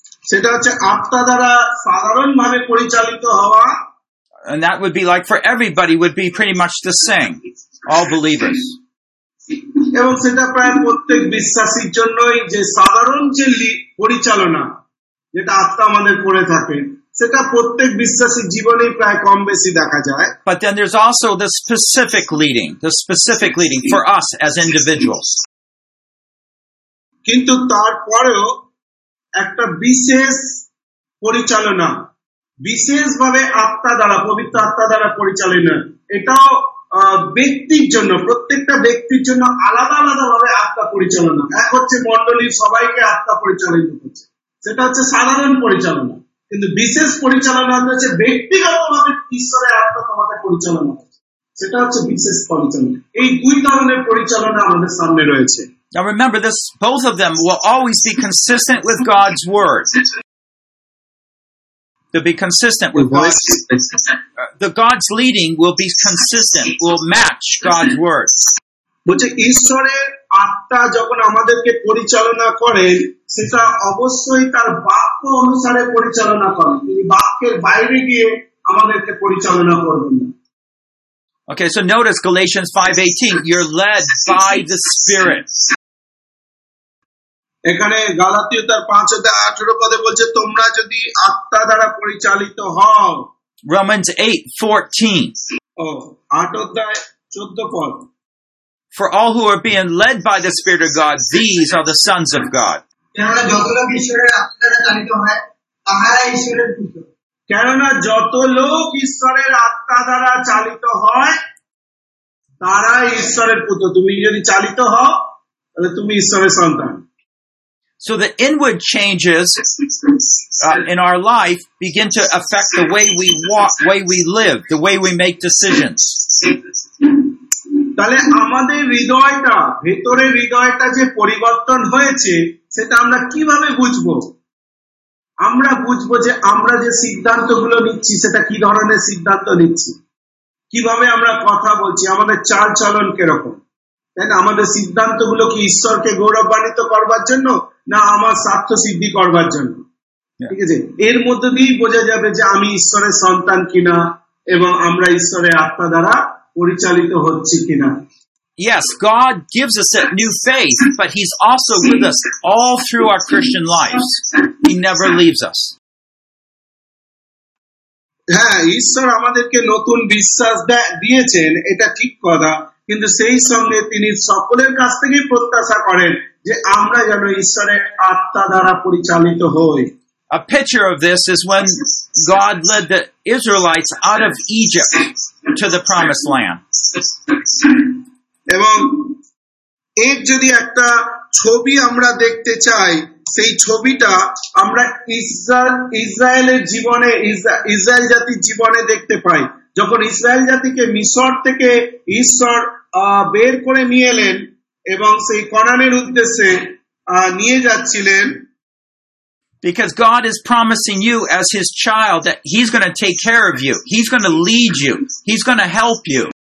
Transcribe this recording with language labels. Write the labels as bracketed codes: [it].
[bn] সেটা হচ্ছে আত্মা দ্বারা সাধারণভাবে পরিচালিত হওয়া। [en] And that would be like for everybody would be pretty much the same, all believers. [bn] এবং সেটা প্রায় প্রত্যেক বিশ্বাসীর জন্যই যে সাধারণ যে পরিচালনা যেটা আত্মা আমাদের করে থাকে সেটা প্রত্যেক বিশ্বাসীর জীবনেই প্রায় কম বেশি দেখা যায়। [en] But then there's also the specific leading for us as individuals. [bn] কিন্তু তারপরেও একটা বিশেষ পরিচালনা বিশেষভাবে আত্মা দ্বারা পবিত্র আত্মা দ্বারা পরিচালনা এটাও ব্যক্তির জন্য প্রত্যেকটা ব্যক্তির জন্য আলাদা আলাদা ভাবে আত্মা পরিচালনা। এক হচ্ছে মন্ডলীর সবাইকে আত্মা পরিচালিত করছে, সেটা হচ্ছে সাধারণ পরিচালনা। কিন্তু বিশেষ পরিচালনা হচ্ছে ব্যক্তিগত ভাবে ঈশ্বরের আত্মা তোমাকে পরিচালনা করছে, সেটা হচ্ছে বিশেষ পরিচালনা। এই দুই ধরনের পরিচালনা আমাদের সামনে রয়েছে। [en] Now remember this, both of them will always be consistent with God's word. They'll be consistent with God's word. The God's leading will be consistent, will match God's word. [bn] বলছে ঈশ্বরের আত্মা যখন আমাদেরকে পরিচালনা করেন সেটা অবশ্যই তার বাক্য অনুসারে পরিচালনা করেন, তিনি বাক্যের বাইরে গিয়ে আমাদেরকে পরিচালনা করবেন না। [en] Okay, so notice Galatians 5:18, you're led by the Spirit. [bn] এখানে গালাতীয় তার 5:18 পদে বলছে তোমরা যদি আত্মা দ্বারা পরিচালিত হও। [en] Romans 8:14. Oh, 8:14. For all who are being led by the Spirit of God, these are the sons of God. [bn] কেননা যত লোক ঈশ্বরের আত্মা দ্বারা চালিত হয় তাহারা ঈশ্বরের পুত্র। কেননা যত লোক ঈশ্বরের আত্মা দ্বারা চালিত হয় তারা ঈশ্বরের পুত্র। তুমি যদি চালিত হও তাহলে তুমি ঈশ্বরের সন্তান। [en] So the inward changes in our life begin to affect the way we walk, way we live, the way we make decisions. [bn] তাহলে আমাদের হৃদয়টা ভেতরে হৃদয়টা যে পরিবর্তন হয়েছে সেটা আমরা কিভাবে বুঝব? আমরা বুঝব যে আমরা যে সিদ্ধান্তগুলো নিচ্ছি সেটা কি ধরনের সিদ্ধান্ত নিচ্ছি, কিভাবে আমরা কথা বলছি, আমাদের চাল চলন কিরকম, তাই না? আমাদের সিদ্ধান্তগুলো কি ঈশ্বরকে গৌরবান্বিত করবার জন্য না আমার স্বার্থ সিদ্ধি করবার জন্য? ঠিক আছে, এর মধ্যে দিয়েই বোঝা যাবে যে আমি ঈশ্বরের সন্তান কিনা এবং আমরা ঈশ্বরের আত্মা দ্বারা পরিচালিত হচ্ছি কিনা। [en] Yes, God gives us a new faith, but he's also with us all through our Christian lives. He never leaves us. [bn] হ্যাঁ, ঈশ্বর আমাদেরকে নতুন বিশ্বাস দিয়েছেন এটা ঠিক কথা, কিন্তু সেই সঙ্গে তিনি সকলের কাছ থেকেই প্রত্যাশা করেন যে আমরা যেন ঈশ্বরের আত্মা দ্বারা পরিচালিত হই। [en] A picture of this is when God led the Israelites out of Egypt to the promised land. [bn] এবং এর যদি একটা ছবি আমরা দেখতে চাই সেই ছবিটা আমরা ইসরায়েল জাতির জীবনে দেখতে পাই। যখন ইসরায়েল জাতিকে মিশর থেকে ঈশ্বর বের করে নিয়ে এলেন এবং সেই কনানের উদ্দেশ্যে নিয়ে যাচ্ছিলেন। [en] Because God is promising you as his child that he's going to take care of you, he's going to lead you, he's going to help you.